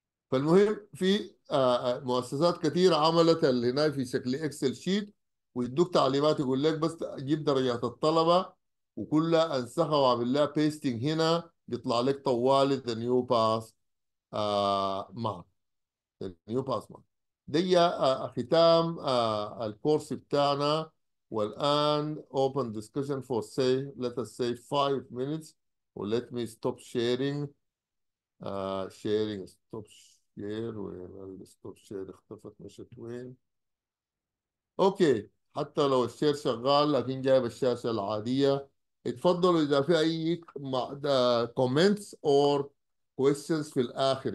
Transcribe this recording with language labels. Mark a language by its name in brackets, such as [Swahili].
[Arabic] فالمهم في مؤسسات كثيرة عملت اللي هنا في شكل إكسل شيت ويدوك تعليمات يقول لك بس جيب درجات الطلبة وكلها أنسخها وعمل لها بيستنج هنا بيطلع لك طوالي [English] the new pass mark [Arabic] نيو باسمان. دي ختام الكورس بتاعنا والان [English] open discussion for say let us say 5 minutes or let me stop sharing sharing stop share [Arabic] وين [English] stop share [Arabic] اختفت مشت وين. اوكي حتى لو الشير شغال لكن جايب الشاشة العادية اتفضلوا اذا في اي [English] comments or questions [Arabic] في الاخر.